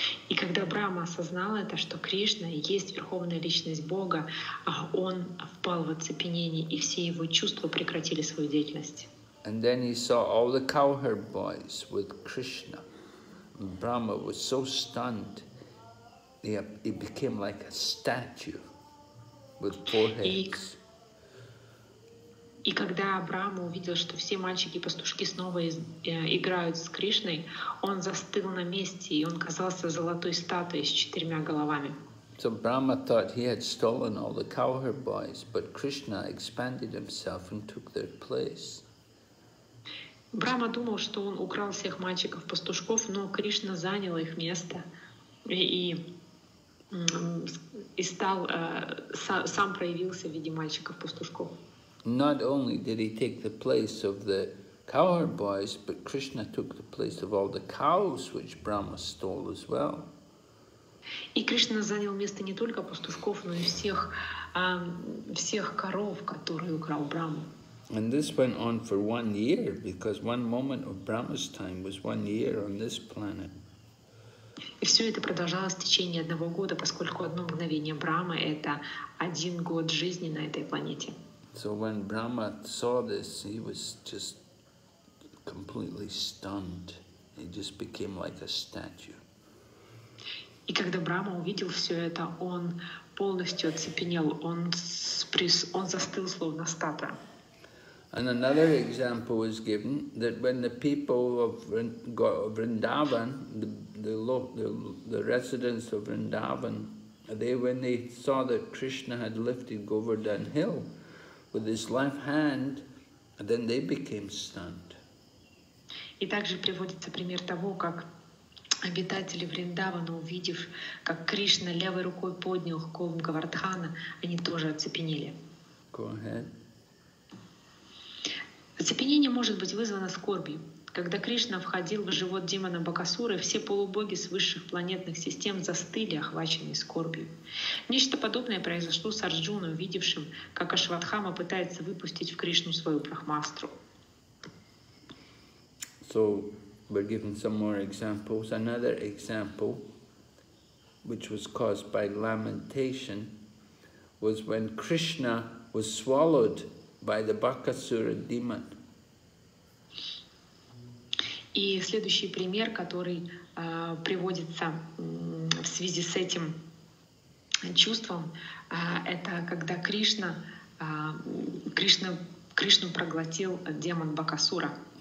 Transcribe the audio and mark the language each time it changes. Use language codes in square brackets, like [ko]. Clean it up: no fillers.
[ru] И когда Брахма осознал это, что Кришна и есть Верховная Личность Бога, он впал в оцепенение, и все его чувства прекратили свою деятельность. [en] And then he saw all the cowherd boys with Krishna. Brahma was so stunned, he became like a statue with four heads. [ru] И когда Брахма увидел, что все мальчики-пастушки снова играют с Кришной, он застыл на месте, и он казался золотой статуей с четырьмя головами. [en] So Brahma thought he had stolen all the cowherd boys, but Krishna expanded himself and took their place. [ru] Брахма думал, что он украл всех мальчиков-пастушков, но Кришна занял их место и стал, сам проявился в виде мальчиков-пастушков. [en] Not only did he take the place of the cowherd boys, but Krishna took the place of all the cows, which Brahma stole as well. [ru] И Кришна занял место не только пастушков, но и всех, всех коров, которые украл Брахма. [en] And this went on for 1 year, because one moment of Brahma's time was 1 year on this planet. [ru] И все это продолжалось в течение одного года, поскольку одно мгновение Брахмы — это один год жизни на этой планете. [en] So when Brahma saw this, he was just completely stunned. He just became like a statue. [ru] И когда Брахма увидел все это, он полностью оцепенел, он застыл словно статуя. [en] And another example was given that when the people of Vrindavan, the residents of Vrindavan, when they saw that Krishna had lifted Govardhan Hill with his left hand, then they became stunned. [ru] И также приводится пример того, как обитатели Вриндавана, увидев, как Кришна левой рукой поднял холм Говардхана, они тоже оцепенели. [en] Go ahead. [ru] Оцепенение может быть вызвано скорбью. Когда Кришна входил в живот демона Бакасуры, все полубоги с высших планетных систем застыли, охваченные скорбью. Нечто подобное произошло с Арджуной, видевшим, как Ашватхама пытается выпустить в Кришну свою брахмастру. [en] So, we're giving some more examples. Another example, which was caused by lamentation, was when Krishna was swallowed by the Bakasura demon. [ru] И следующий пример, который приводится в связи с этим чувством, это когда Кришну проглотил демон Бакасура.